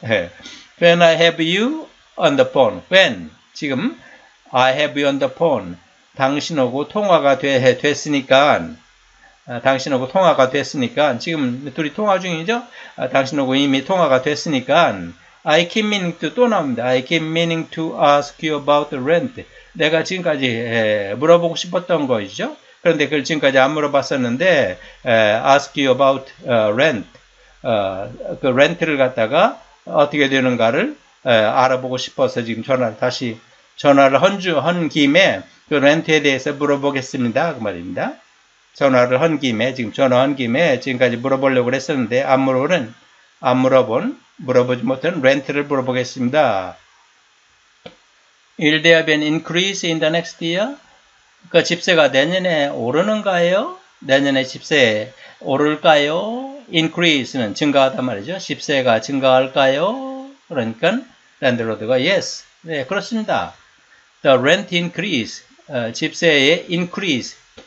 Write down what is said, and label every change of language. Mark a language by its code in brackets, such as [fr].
[en] 에, when I have you on the phone. When [ko] 지금 [en] I have you on the phone. [ko] 당신하고 통화가 됐으니까. 당신하고 통화가 됐으니까 지금 둘이 통화 중이죠. 당신하고 이미 통화가 됐으니까 [en] I keep meaning to [ko] 또 나옵니다. [en] I keep meaning to ask you about the rent. [ko] 내가 지금까지 물어보고 싶었던 것이죠. 그런데 그걸 지금까지 안 물어봤었는데 [en] ask you about rent. [ko] 그 렌트를 갖다가 어떻게 되는가를 알아보고 싶어서 지금 다시 전화를 한 김에 그 렌트에 대해서 물어보겠습니다. 그 말입니다. 전화를 한 김에, 지금 전화한 김에 지금까지 물어보려고 그랬었는데 물어보지 못한 렌트를 물어보겠습니다. [en] Will there be an increase in the next year? [ko] 그 집세가 내년에 오르는가요? 내년에 집세 오를까요? Increase는 증가하단 말이죠. 집세가 증가할까요? 그러니까 랜드로드가 yes, 네 그렇습니다. [en] The rent increase, [ko] 집세의 [en] increase.